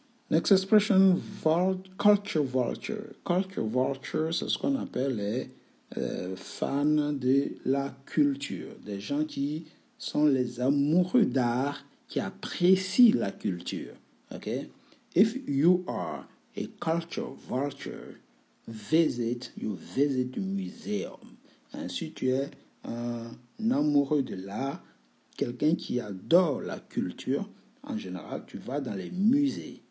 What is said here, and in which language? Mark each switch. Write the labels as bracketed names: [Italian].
[English] Next expression, culture vulture. [French] Culture vulture, c'est ce qu'on appelle les fans de la culture. Des gens qui sont les amoureux d'art, qui apprécient la culture. [English] Okay? If you are a culture vulture, you visit the museum. [French] Hein, si tu es un amoureux de l'art, quelqu'un qui adore la culture, en général, tu vas dans les musées.